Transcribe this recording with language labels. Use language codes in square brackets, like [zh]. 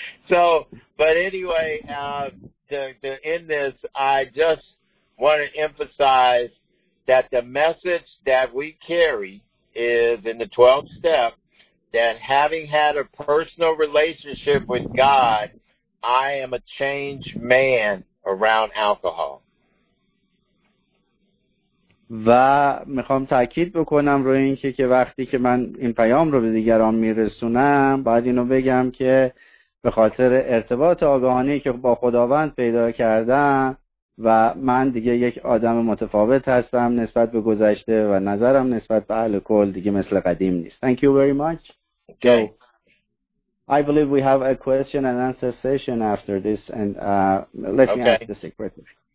[en] So, but anyway, to end this, I just want to emphasize that the message that we carry is in the 12th step, that having had a personal relationship with God, I am a changed man around alcohol. [fa] و میخوام تاکید بکنم روی اینکه که وقتی که من این پیام رو به دیگران میرسونم، باید اینو بگم که به خاطر ارتباط آگاهانه‌ای که با خداوند پیدا کردم و من دیگه یک آدم متفاوت هستم نسبت به گذشته و نظرم نسبت به الکل دیگه مثل قدیم نیست. [en] Thank you very much. Okay. I believe we have a question and answer session after this and let me ask the secretary.